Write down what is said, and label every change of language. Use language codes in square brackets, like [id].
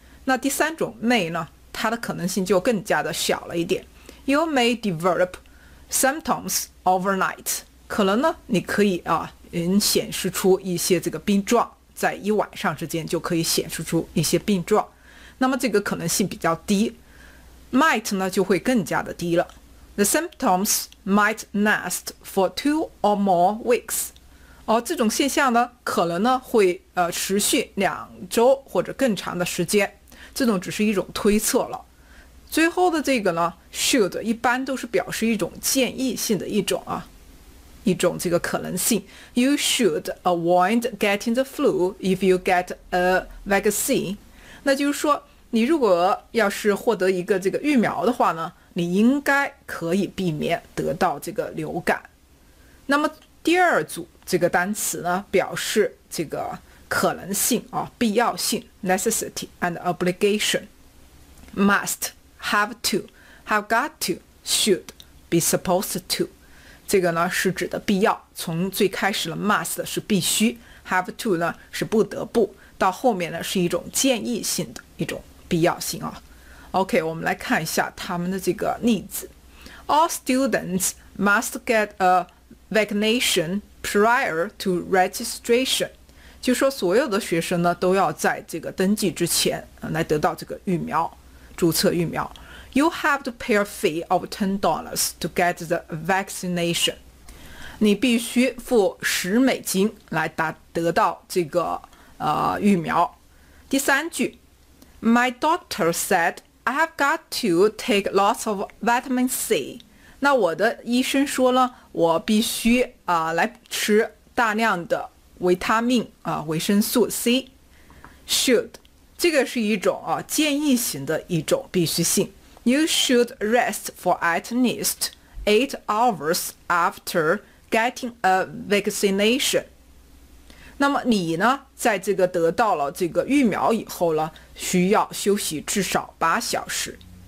[zh] 那第三种 may 呢，它的可能性就更加的小了一点。 [en] You may develop symptoms overnight. [zh] 可能呢，你可以显示出一些这个病状，在一晚上之间就可以显示出一些病状。那么这个可能性比较低。 Might 呢就会更加的低了。 [en] The symptoms might last for 2 or more weeks. [zh] 这种现象呢可能呢会持续2周或者更长的时间，这种只是一种推测了。最后的这个呢 should 一般都是表示一种建议性的一种这个可能性。 [en] You should avoid getting the flu if you get a vaccine. [zh] 那就是说你如果要是获得一个这个疫苗的话呢，你应该可以避免得到这个流感。那么第二组这个单词呢，表示这个可能性必要性 [en] necessity and obligation. Must, have to, have got to, should, be supposed to. [zh] 这个呢是指的必要，从最开始的 must 是必须， have to 呢是不得不，到后面呢是一种建议性的一种必要性OK, 我们来看一下他们的这个例子。 [en] All students must get a vaccination prior to registration. [zh] 就说所有的学生呢都要在这个登记之前来得到这个疫苗，注册疫苗。 [en] You have to pay a fee of $10 to get the vaccination. [zh] 你必须付$10来得到这个疫苗。第三句， [en] My doctor said, I have got to take lots of vitamin C. [zh] 那我的医生说呢，我必须来吃大量的维他命维生素 C. Should, 这个是一种建议型的一种必须性。 [en] You should rest for at least 8 hours after getting a vaccination. [zh] 那么你呢，在这个得到了这个疫苗以后呢，需要休息至少8小时。